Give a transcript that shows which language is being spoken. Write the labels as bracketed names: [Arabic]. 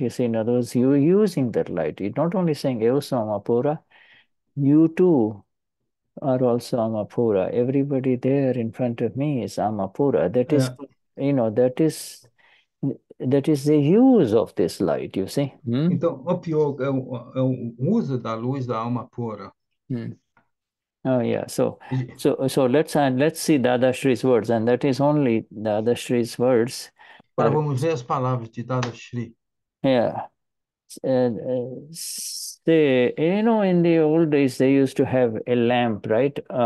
[English] You see, in other words, you're using that light. You're not only saying, [Portuguese] eu sou Amapura, [English] you too are also Amapura. Everybody there in front of me is Amapura. That is, you know, that is the use of this light, you see. [Portuguese] Então, Upayog é o uso da luz da alma pura. [English] Oh, yeah. So let's see Dadashri's words, and that is only Dadashri's words. [Portuguese] Agora vamos ver as palavras de Dadashri. [English] Yeah. You know, in the old days, they used to have a lamp, right?